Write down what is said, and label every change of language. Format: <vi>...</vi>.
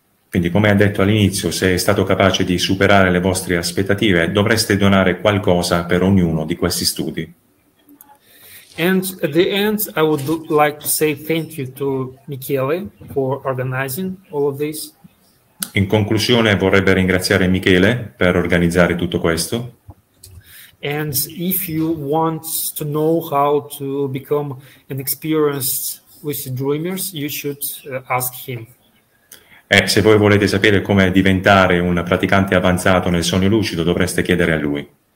<it>Quindi, come ha detto all'inizio, se è stato capace di superare le vostre aspettative, dovreste donare qualcosa per ognuno di questi studi.</it> <en>And at the end, I would like to say thank you to Michele for organizing all of this.</en> <it>In conclusione, vorrebbe ringraziare Michele per organizzare tutto questo.</it> <en>And if you want to know how to become an experienced with dreamers, you should ask him.</en> <it>Se voi volete sapere come diventare un praticante avanzato nel sogno lucido, dovreste chiedere a lui.</it>